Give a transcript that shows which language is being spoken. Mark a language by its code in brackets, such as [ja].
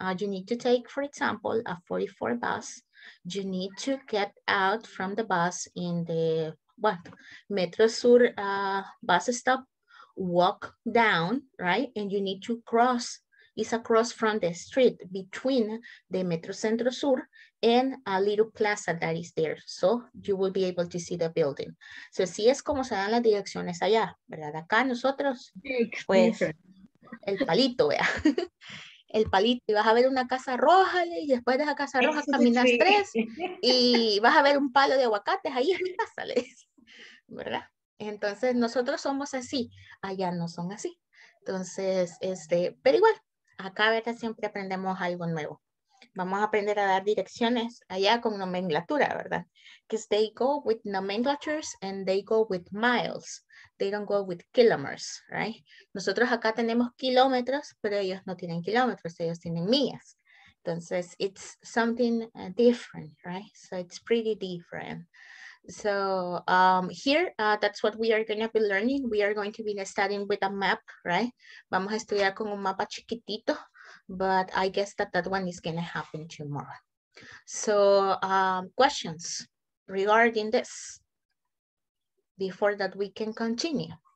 [en] You need to take, for example, a 44 bus. You need to get out from the bus in the, Metro Sur bus stop. Walk down, right? And you need to cross is across from the street between the Metro Centro Sur and a little plaza that is there. So you will be able to see the building. [es] So así es como se dan las direcciones allá, ¿verdad? Acá nosotros, pues, el palito, vea. El palito, y vas a ver una casa roja, y después de esa casa roja caminas tres, y vas a ver un palo de aguacates, ahí es mi casa, ¿verdad? Entonces, nosotros somos así, allá no son así. Entonces, pero igual, acá, ¿verdad? Siempre aprendemos algo nuevo. Vamos a aprender a dar direcciones allá con nomenclatura, ¿verdad? [en] Because they go with nomenclatures and they go with miles. They don't go with kilometers, right? [es] Nosotros acá tenemos kilómetros, pero ellos no tienen kilómetros, ellos tienen millas. [en] Entonces, it's something different, right? So it's pretty different. So here, that's what we are going to be learning. We are going to be studying with a map, right? [es] Vamos a estudiar con un mapa chiquitito, [en] but I guess that that one is going to happen tomorrow. So questions regarding this before that we can continue.